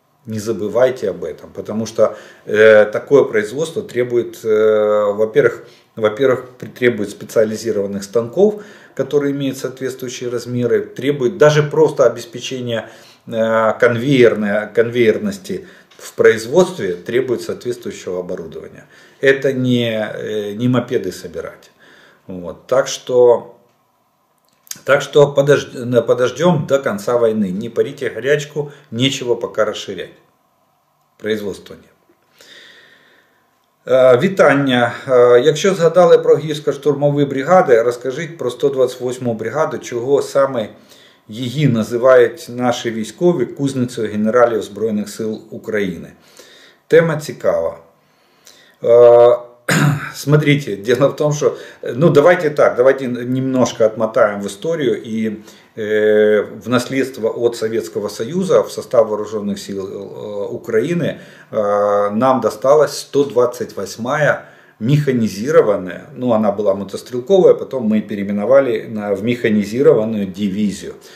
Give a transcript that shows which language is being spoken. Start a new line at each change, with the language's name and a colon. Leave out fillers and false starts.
Russian: Не забывайте об этом, потому что такое производство требует, во-первых, требует специализированных станков, которые имеют соответствующие размеры, требует даже просто обеспечения конвейерности в производстве, требует соответствующего оборудования. Это не мопеды собирать. Вот. Так что подождем до конца войны. Не парите горячку, нечего пока расширять. Производства ні.
Ukrainian: Вітання. Якщо згадали про гірсько-штурмові бригади, розкажіть про 128-му бригаду, чого саме її називають наші військові кузницею генералів Збройних сил України. Тема цікава.
Russian: Смотрите, дело в том, что, ну давайте так, давайте немножко отмотаем в историю и в наследство от Советского Союза в состав вооруженных сил Украины нам досталась 128-я механизированная, ну она была мотострелковая, потом мы переименовали в механизированную дивизию.